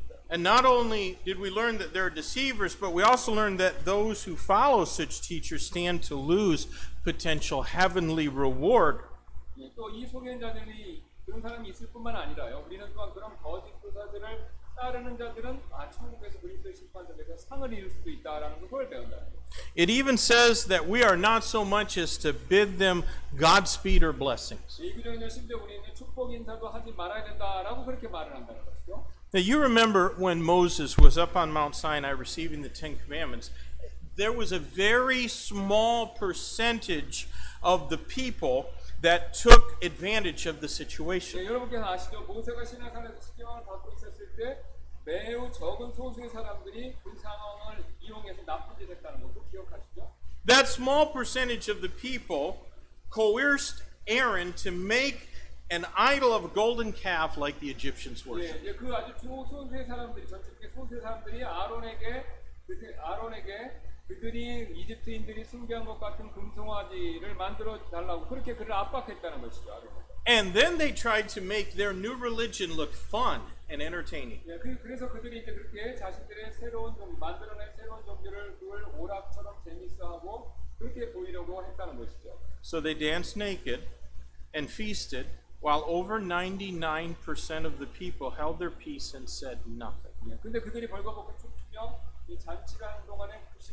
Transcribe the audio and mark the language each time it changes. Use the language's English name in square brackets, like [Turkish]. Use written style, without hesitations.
[English] And not only did we learn that there are deceivers, but we also learned that those who follow such teachers stand to lose potential heavenly reward. [Korean] 또 이 속이는 자들이 그런 사람이 있을 뿐만 아니라요. 우리는 또한 그런 거짓 교사들을 따르는 자들은 아 천국에서 그리스도의 심판들에서 상을 잃을 수도 있다라는 걸 배운다. [English] It even says that we are not so much as to bid them Godspeed or blessings. [Korean] 이기적인 심지어 우리는 축복 인사도 하지 말아야 된다라고 그렇게 말을 한다는 것이죠. [English] Now you remember when Moses was up on Mount Sinai receiving the Ten Commandments, there was a very small percentage of the people that took advantage of the situation. [Korean] 네, 여러분께서 아시죠? 모세가 시내산에서 십계명을 받고 있었을 때 매우 적은 소수의 사람들이 그 상황을 이용해서 나쁜 짓을 했다는 것도 기억하시죠? [English] That small percentage of the people coerced Aaron to make an idol of a golden calf like the Egyptians worship. [Korean] 네, 그 아주 소수의 사람들이 전체 소수의 사람들이 아론에게 그들이 이집트인들이 숭배한 것 같은 금송아지를 만들어 달라고 그렇게 그를 압박했다는 것이죠. [English] And then they tried to make their new religion look fun and entertaining. [Korean] 예, 그래서 그들이 이제 그렇게 자신들의 새로운 종 만들어낸 새로운 종교를 그걸 오락처럼 재밌어하고 그렇게 보이려고 했다는 것이죠. [English] So they danced naked and feasted while over 99% of the people held their peace and said nothing. [Korean] 예, 근데 그들이 벌거벗고 춤추며 이 잔치를 하는 동안에